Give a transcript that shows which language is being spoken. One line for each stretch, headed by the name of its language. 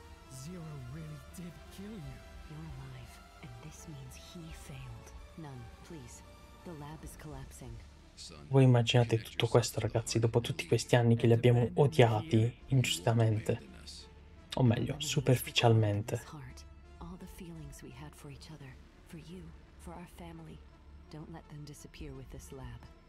English: Zero really did kill you. You're alive, and this means he failed. None, please. The lab is collapsing.
Italian: Voi immaginate tutto questo, ragazzi, dopo tutti questi anni che li abbiamo odiati ingiustamente. O meglio, superficialmente.
English: All the feelings we had for each other, for you, for our family. Don't let them disappear with this lab.